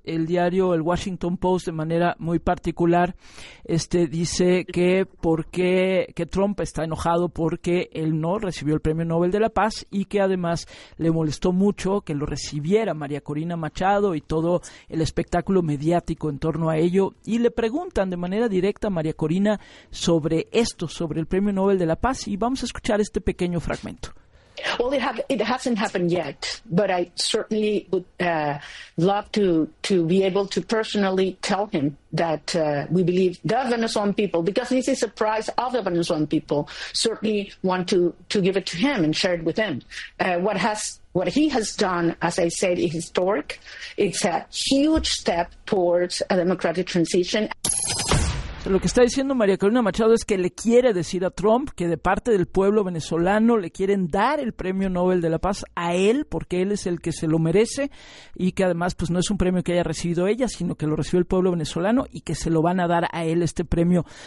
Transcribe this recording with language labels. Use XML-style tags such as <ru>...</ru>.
<es>El diario el Washington Post, de manera muy particular, dice que Trump está enojado porque él no recibió el Premio Nobel de la Paz y que además le molestó mucho que lo recibiera María Corina Machado y todo el espectáculo mediático en torno a ello. Y le preguntan de manera directa a María Corina sobre esto, sobre el Premio Nobel de la Paz, y vamos a escuchar este pequeño fragmento.</es> <en>Well, it hasn't happened yet, but I certainly would love to be able to personally tell him that we believe the Venezuelan people, because this is a prize of the Venezuelan people, certainly want to give it to him and share it with him. What he has done, as I said, is historic. It's a huge step towards a democratic transition.</en> <es>Lo que está diciendo María Corina Machado es que le quiere decir a Trump que de parte del pueblo venezolano le quieren dar el Premio Nobel de la Paz a él, porque él es el que se lo merece, y que además pues no es un premio que haya recibido ella, sino que lo recibió el pueblo venezolano, y que se lo van a dar a él este premio.</es>